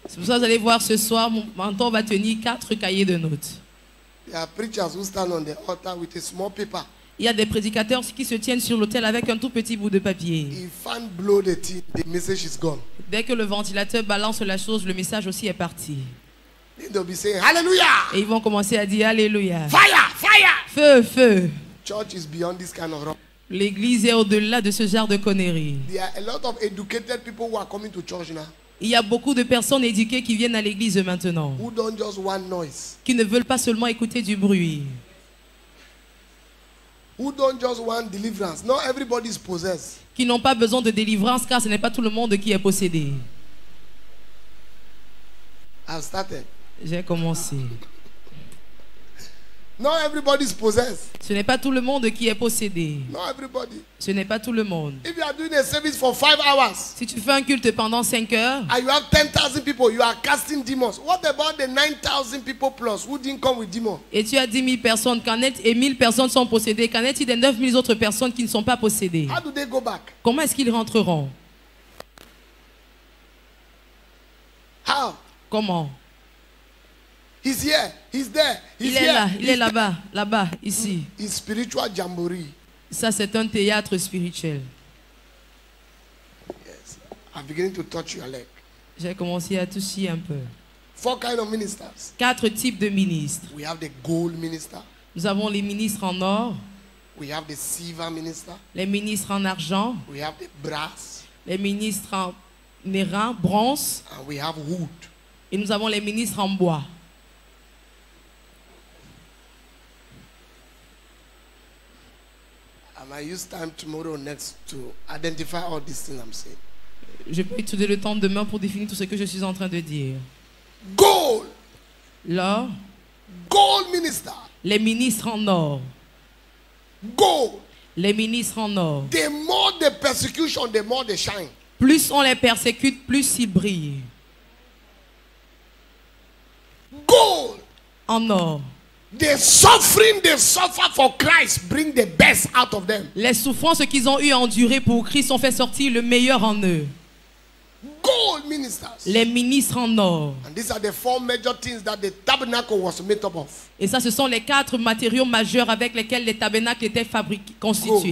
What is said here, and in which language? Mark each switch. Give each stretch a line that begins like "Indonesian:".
French: C'est pour ça que vous allez voir ce soir, mon mentor va tenir quatre cahiers de notes.
English: There are preachers who stand on the altar with a small paper.
French: Il y a des prédicateurs qui se tiennent sur l'autel avec un tout petit bout de papier.
English: If fan blow the thing, the message is gone.
French: Dès que le ventilateur balance la chose, le message aussi est parti.
English: They'll be saying, Hallelujah!
French: Et ils vont commencer à dire Alléluia.
English: Fire, fire!
French: Feu, feu.
English: Church is beyond this kind of rock.
French: L'église est au-delà de ce genre de conneries.
English: There are a lot of educated people who are coming to church now.
French: Il y a beaucoup de personnes éduquées qui viennent à l'église maintenant.
English: Who don't just want noise.
French: Qui ne veulent pas seulement écouter du bruit.
English: Who don't just want deliverance. Not everybody is possessed.
French: Qui n'ont pas besoin de délivrance car ce n'est pas tout le monde qui est possédé.
English: I've started.
French: J'ai commencé.
English: Not everybody is possessed.
French: Ce n'est pas tout le monde qui est possédé.
English: Not everybody.
French: Ce n'est pas tout le monde.
English: If you are doing a service for 5 hours,
French: si tu fais un culte pendant 5 heures,
English: and you have 10,000 people, you are casting demons. What about the 9,000 people plus who didn't come with demons?
French: Et tu as 10,000 personnes, et 1,000 personnes sont possédées. Qu'en est-il des 9,000 autres personnes qui ne sont pas possédées?
English: How do they go back?
French: Comment est-ce qu'ils rentreront?
English: How?
French: Comment?
English: He's here. He's there.
French: Il est là. Il est là-bas. Là-bas. Ici.
English: It's spiritual jamboree.
French: Ça, c'est un théâtre spirituel.
English: Yes. I'm beginning to touch your leg.
French: J'ai commencé à toucher un peu.
English: Four kinds of ministers.
French: Quatre types de ministres.
English: We have the gold minister.
French: Nous avons les ministres en or.
English: We have the silver minister.
French: Les ministres en argent.
English: We have the brass.
French: Les ministres en airain, bronze.
English: And we have wood.
French: Et nous avons les ministres en bois.
English: I might use time tomorrow next to identify all these things I'm saying.
French: Je peux utiliser le temps demain pour définir tout ce que je suis en train de dire.
English: Gold.
French: L'or.
English: Gold minister.
French: Les ministres en or.
English: Gold.
French: Les ministres en or.
English: The more they persecution, the more they shine.
French: Plus on les persécute, plus ils brillent.
English: Gold.
French: En or.
English: The suffering they suffer for Christ bring the best out of them.
French: Les souffrances qu'ils ont eu à endurer pour Christ ont fait sortir le meilleur en eux.
English: Gold ministers.
French: Les ministres en or.
English: And these are the four major things that the tabernacle was made up of.
French: Et ça, ce sont les quatre matériaux majeurs avec lesquels les tabernacles étaient fabriqués, constitués.